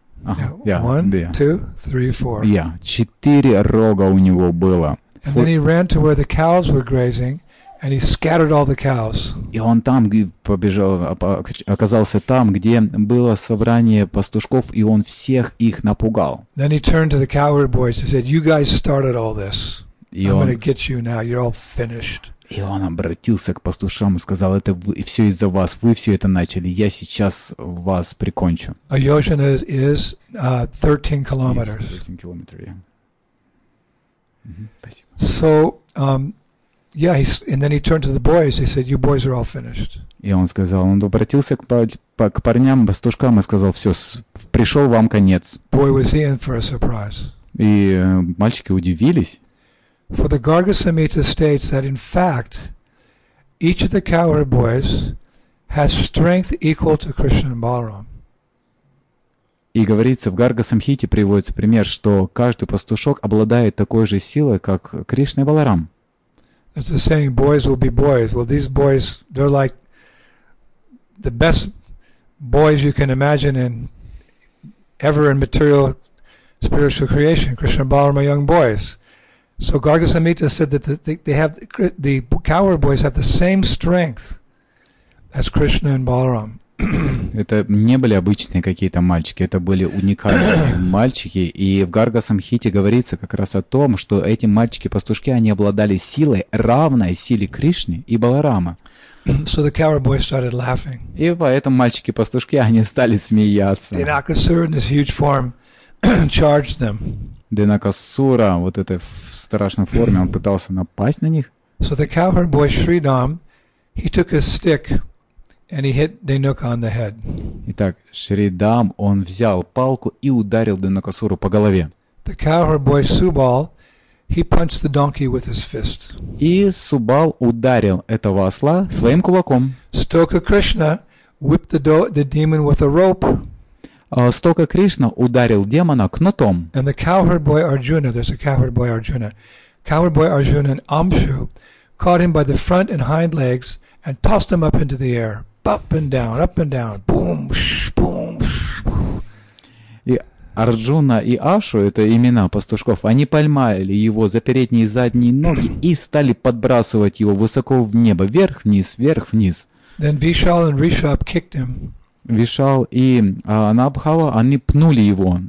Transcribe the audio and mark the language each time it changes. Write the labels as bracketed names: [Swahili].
[English] One, two, three, four. [Russian] Yeah, четыре рога у него было. [English] And then he ran to where the cows were grazing, and he scattered all the cows. [Russian] И он там побежал, оказался там, где было собрание пастушков, и он всех их напугал. [English] Then he turned to the cowherd boys and said, "You guys started all this. I'm going to get you now. You're all finished." [Russian] И он обратился к пастушам и сказал, это вы, все из-за вас, вы все это начали, я сейчас вас прикончу. [English] A yojana is 13 kilometers. Yes, 13 kilometers, yeah. [Russian] Спасибо. [English] So, and then he turned to the boys, he said, you boys are all finished. [Russian] И он сказал, он обратился к парням, пастушкам и сказал, все, пришел вам конец. [English] Boy, was he in for a surprise. [Russian] И мальчики удивились. [English] For the Garga Samhita states that, in fact, each of the cowherd boys has strength equal to Krishna and Balaram. [Russian] И говорится, в Гарга Самхите приводится пример, что каждый пастушок обладает такой же силой, как Кришна и Баларам. [English] It's the saying, boys will be boys. Well, these boys, they're like the best boys you can imagine in ever in material spiritual creation. Krishna and Balaram are young boys. So Garga Samhita said that they have the cowherd boys have the same strength as Krishna and Balaram. [Russian] Это не были обычные какие-то мальчики, это были уникальные мальчики. И в Гарга Самхите говорится как раз о том, что эти мальчики-пастушки, они обладали силой, равной силе Кришны и Баларама. [English] So the cowherd boys started laughing. [Russian] И поэтому мальчики-пастушки, они стали смеяться. [English] Dhanakasura in his huge form charged them. [Russian] Dhanakasura, вот это в страшной форме, он пытался напасть на них. [English] So the cowherd boy Shridham, he took his stick and he hit Dhanuka on the head. [Russian] Итак, Шридам, он взял палку и ударил Дханакасуру по голове. [English] The cowherd boy Subal, he punched the donkey with his fist. [Russian] И Субал ударил этого осла своим кулаком. [English] Stoka Krishna whipped the demon with a rope. [Russian] Стока Кришна ударил демона кнутом. [English] And the cowherd boy Arjuna, there's a cowherd boy Arjuna. Cowherd boy Arjuna and Amshu caught him by the front and hind legs and tossed him up into the air. Up and down, boom, boom. [Russian] И Арджуна и Ашу, это имена пастушков, они поймали его за передние и задние ноги и стали подбрасывать его высоко в небо, вверх, вниз, вверх, вниз. [English] Then Vishal and Rishab kicked him. [Russian] Вишал и Анабхава, они пнули его.